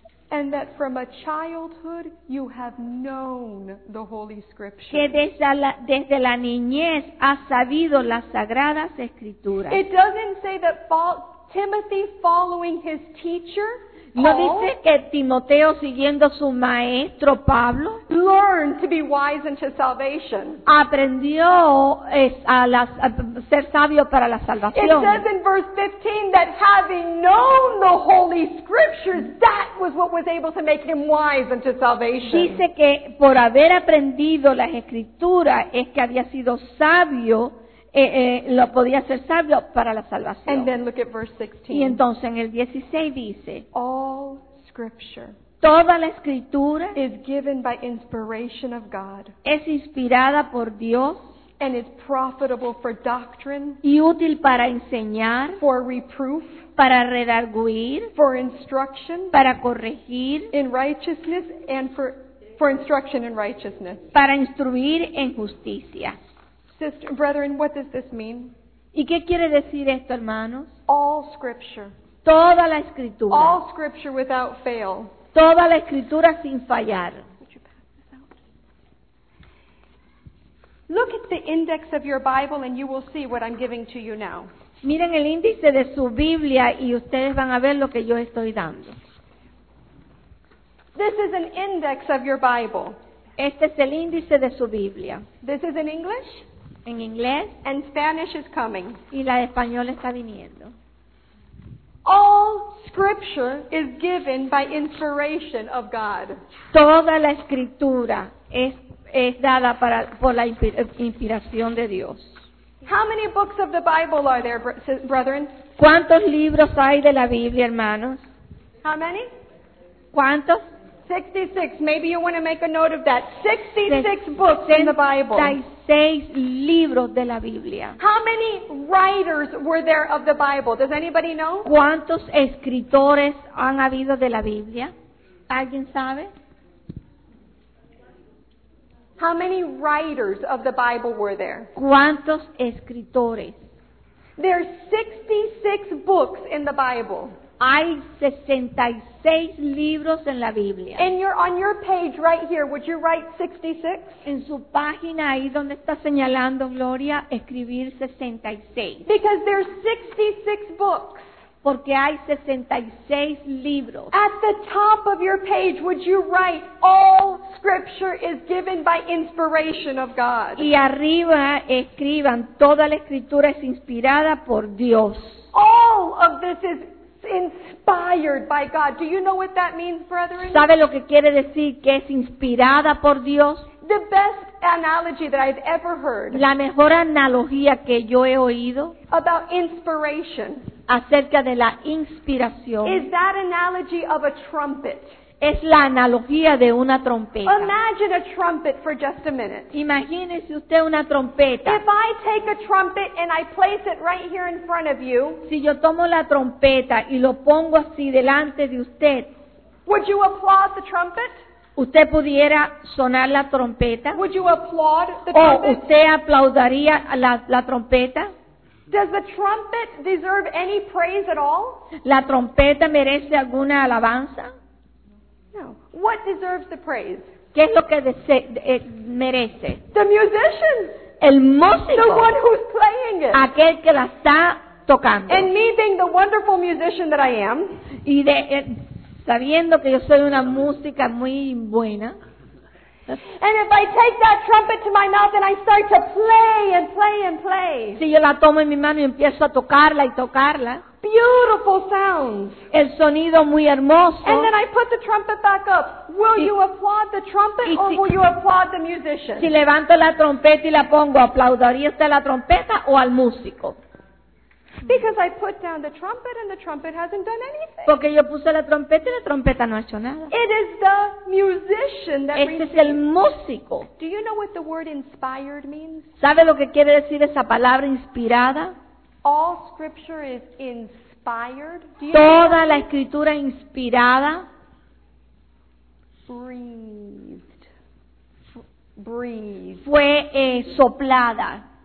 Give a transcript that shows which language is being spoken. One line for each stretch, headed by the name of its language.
English: And that from a childhood you have known the Holy Scripture.
Spanish: Que desde la niñez has sabido las sagradas escrituras.
English: It doesn't say that Timothy following his teacher.
Spanish: No dice que Timoteo siguiendo su maestro Pablo
English: learned to be wise unto salvation.
Spanish: Aprendió a ser sabio para la salvación.
English: It says in verse 15 that having known the Holy Scriptures, that was what was able to make him wise unto salvation.
Spanish: Dice que por haber aprendido las escrituras es que había sido sabio. Lo podía hacer sabio para la salvación.
English: And then look at verse 16.
Spanish: Y entonces en el 16 dice,
English: all scripture,
Spanish: toda la escritura,
English: is given by inspiration of God,
Spanish: es inspirada por Dios,
English: and is profitable for doctrine,
Spanish: y útil para enseñar,
English: for reproof,
Spanish: para redarguir,
English: for instruction,
Spanish: para corregir,
English: in righteousness and for instruction in righteousness,
Spanish: para instruir en justicia.
English: Brethren, what does this mean?
Spanish: ¿Y qué quiere decir esto, hermanos?
English: All scripture.
Spanish: Toda la escritura.
English: All scripture without fail.
Spanish: Toda la escritura sin fallar.
English: Look at the index of your Bible and you will see what I'm giving to you now.
Spanish: Miren el índice de su Biblia y ustedes van a ver lo que yo estoy dando.
English: This is an index of your Bible.
Spanish: Este es el índice de su Biblia.
English: This is in English.
Spanish: En inglés.
English: And Spanish is coming.
Spanish: Y la española está viniendo.
English: All scripture is given by inspiration of God.
Spanish: Toda la escritura es dada para por la inspiración de Dios.
English: How many books of the Bible are there, brethren?
Spanish: ¿Cuántos libros hay de la Biblia, hermanos?
English: How many?
Spanish: ¿Cuántos?
English: 66. Maybe you want to make a note of that. 66 books in the Bible.
Spanish: 66 libros de la Biblia.
English: How many writers were there of the Bible? Does anybody know?
Spanish: ¿Cuántos escritores han habido de la Biblia? ¿Alguien sabe?
English: How many writers of the Bible were there?
Spanish: ¿Cuántos escritores?
English: There are 66 books in the Bible.
Spanish: Hay 66 libros en la Biblia.
English: And you're on your page right here, would you write 66?
Spanish: En su página ahí donde está señalando Gloria, escribir 66.
English: Because there's 66 books.
Spanish: Porque hay 66 libros.
English: At the top of your page, would you write all scripture is given by inspiration of God?
Spanish: Y arriba escriban toda la escritura es inspirada por Dios.
English: All of this is inspired by God. Do you know what that means, brethren?
Spanish: ¿Sabe lo que quiere decir que es inspirada por Dios?
English: The best analogy that I've ever heard.
Spanish: La mejor analogía que yo he oído.
English: About inspiration.
Spanish: Acerca de la inspiración.
English: Is that analogy of a trumpet?
Spanish: Es la analogía de una trompeta.
English: Imagine a trumpet for just a minute.
Spanish: Imagínese usted una trompeta.
English: If I take a trumpet and I place it right here in front of you,
Spanish: si yo tomo la trompeta y lo pongo así delante de usted,
English: would you applaud the trumpet?
Spanish: ¿Usted pudiera sonar la trompeta?
English: Would you applaud the trumpet?
Spanish: ¿O usted aplaudiría la trompeta?
English: Does the trumpet deserve any praise at all?
Spanish: ¿La trompeta merece alguna alabanza?
English: No. What deserves the praise?
Spanish: ¿Qué es lo que merece?
English: The musician.
Spanish: El músico.
English: The one who's playing it.
Spanish: Aquel que la está tocando.
English: And me being the wonderful musician that I am.
Spanish: Y de, sabiendo que yo soy una música muy buena.
English: And if I take that trumpet to my mouth and I start to play and play and play.
Spanish: Si yo la tomo en mi mano y empiezo a tocarla y tocarla.
English: Beautiful sounds.
Spanish: El sonido muy hermoso.
English: And then I put the trumpet back up. Will you applaud the trumpet or will you applaud the musician?
Spanish: Si levanto la trompeta y la pongo, ¿aplaudiría usted la trompeta o al músico?
English: Because I put down the trumpet and the trumpet hasn't done anything.
Spanish: Porque yo puse la trompeta y la trompeta no ha hecho nada.
English: It is the musician that
Spanish: este
English: receives.
Spanish: Es el músico.
English: Do you know what the word inspired means?
Spanish: ¿Sabe lo que quiere decir esa palabra inspirada?
English: All scripture is inspired.
Spanish: Toda la escritura inspirada.
English: Breathed. Breathed.
Spanish: Fue soplada.